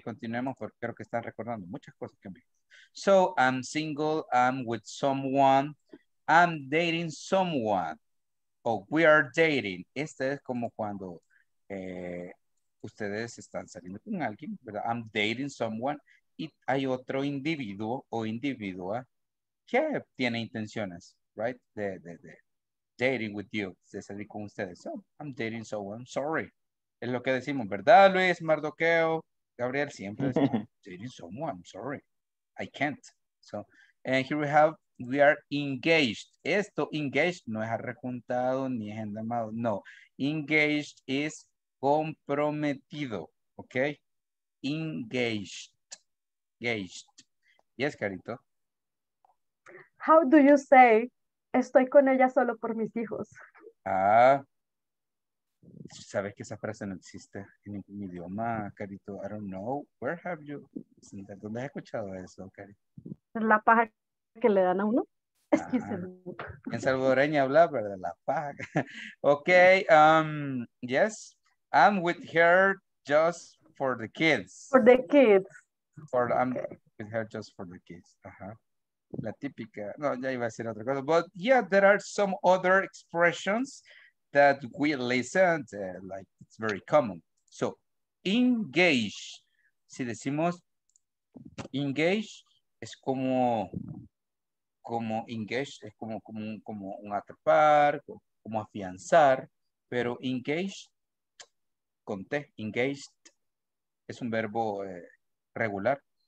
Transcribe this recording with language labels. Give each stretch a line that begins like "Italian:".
Spanish: Continuemos porque creo que están recordando muchas cosas que me...
English: So I'm single, I'm with someone, I'm dating someone, oh, we are dating.
Spanish: Este es como cuando ustedes están saliendo con alguien, ¿verdad?
English: I'm dating someone,
Spanish: y hay otro individuo o individua que tiene intenciones, right? De dating with you, de salir con ustedes.
English: So I'm dating someone, sorry.
Spanish: Es lo que decimos, ¿verdad, Luis, Mardoqueo, Gabriel? Siempre decimos,
English: dating someone, I'm sorry, I can't. So, and here we have, we are engaged.
Spanish: Esto, engaged, no es arrejuntado ni es endamado, no. Engaged es comprometido, ¿ok?
English: Engaged, engaged. Yes, carito. How do you say,
Spanish: estoy con ella solo por mis hijos? Ah, ¿sabes que esa frase no existe en ningún idioma, carito?
English: I don't know. Where have you?
Spanish: ¿Dónde has escuchado eso, carito? La paja que le dan a uno.
English: Excuse me.
Spanish: En salvadoreña habla, ¿verdad? La paja. Okay. Yes.
English: I'm with her just for the kids. For the kids. Or I'm okay. With her just for the kids.
Spanish: La típica. No, ya iba a decir otra cosa.
English: But yeah, there are some other expressions that we listened, like it's very common. So, engage.
Spanish: Si decimos engage, es como engage, es como un atrapar, como afianzar, pero engage, con T, engaged, es un verbo regular.